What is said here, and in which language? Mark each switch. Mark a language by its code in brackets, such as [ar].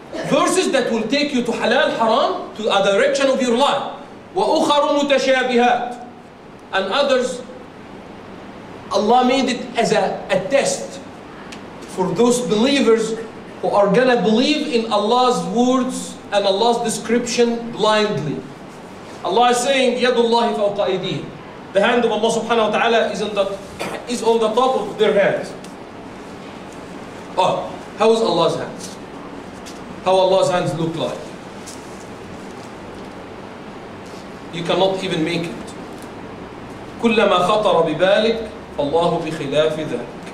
[en] Verses that will take you to halal, haram, to a direction of your life. [ar] وَأُخَرُ مُتَشَابِهَاتٌ. [en] And others, Allah made it as a test for those believers who are gonna believe in Allah's words and Allah's description blindly. Allah is saying, [ar] يَدُ اللَّهِ فَوْقَ أَيْدِيهِمْ. [en] The hand of Allah subhanahu wa ta'ala is on the top of their hands. Oh, how is Allah's hands? How Allah's hands look like? You cannot even make it. [ar] كُلَّمَا خَطَرَ بِبَالِكَ اللَّهُ بِخِلَافِ ذَلِكَ.